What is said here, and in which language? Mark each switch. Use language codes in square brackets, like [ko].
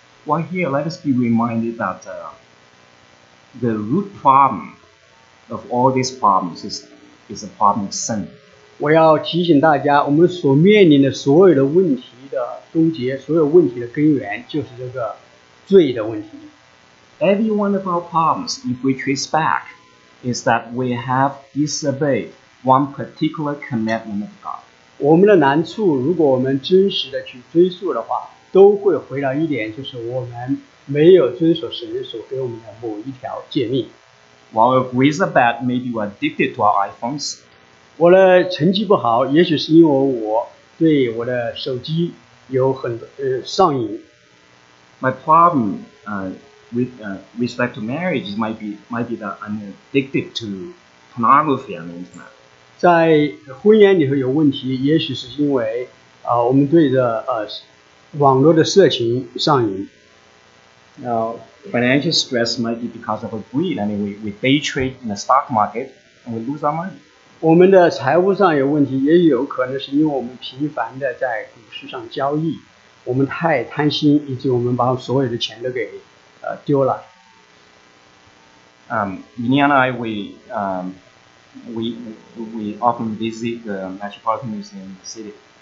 [en] Well, here, let us be reminded that the root problem of all these problems is a problem of sin. [zh] 我要提醒大家, 我们所面临的所有的问题的终结, 所有问题的根源就是这个罪的问题。 [en] Every one of our problems, if we trace back, is that we have disobeyed one particular commandment of God. [zh] 我们的难处, 如果我们真实的去追溯的话, 都会回到一点, 就是我们没有遵守神所给我们的某一条诫命。 [en] While our grades are bad, maybe we're addicted to our iPhones. [zh] 我的成绩不好, 也许是因为我对我的手机有很多上瘾。 [en] My problem with respect to marriage might be that I'm addicted to pornography and internet. [zh] 在婚姻里头有问题, 也许是因为 我们对着网络的色情上瘾。 [en] Now, financial stress might be because of a greed. I mean, we day trade in the stock market and we lose our money. [zh] 我们的财务上有问题, 也有可能是因为我们频繁地在股市上交易, 我们太贪心, 以及我们把所有的钱都给 丢了。 [en] Minnie and I, we often visit the Metropolitan Museum in the city.